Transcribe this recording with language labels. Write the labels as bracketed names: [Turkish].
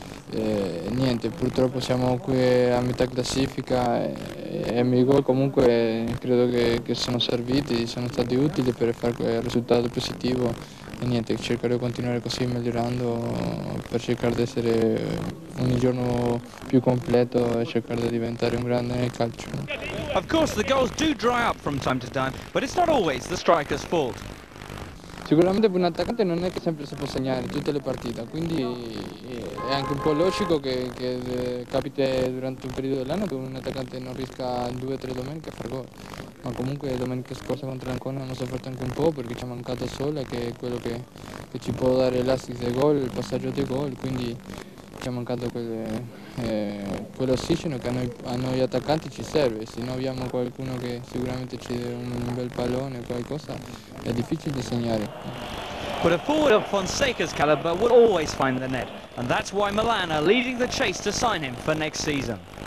[Italian] niente, purtroppo siamo qui a metà classifica e i miei gol comunque credo che sono serviti, sono stati utili per fare il risultato positivo e niente, cercherò di continuare così migliorando per cercare di essere ogni giorno più completo e cercare di diventare un grande nel calcio. [English] Of course the goals do dry up from time to time, but it's not always the striker's fault. [Italian] Sicuramente per un attaccante non è che sempre si può segnare tutte le partite, quindi è anche un po' logico che capite durante un periodo dell'anno che un attaccante non riesca in 2 o 3 domeniche a fare gol. Ma comunque domenica scorsa contro l'Ancona non si è fatto anche un po' perché ci ha mancato Sola, che è quello che ci può dare l'assist di gol, il passaggio di gol, quindi ci ha mancato quell'ossigeno che a noi attaccanti ci serve. Se noi abbiamo qualcuno che sicuramente ci dà un bel pallone o qualcosa, è difficile da segnare. [English] But a forward of Fonseca's caliber will always find the net, and that's why Milan are leading the chase to sign him for next season.